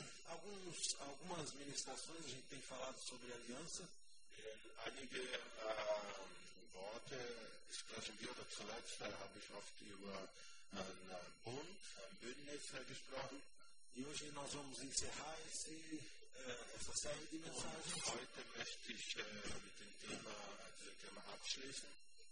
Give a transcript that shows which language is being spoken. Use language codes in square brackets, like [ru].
[pt] Algumas ministrações a gente tem falado sobre aliança. [de] Einige Worte, ich glaube, wir oder zuletzt habe ich oft über einen Bund, ein Bündnis gesprochen. [pt] E hoje nós vamos encerrar essa série de mensagens. [de] Heute möchte ich diesen Thema abschließen.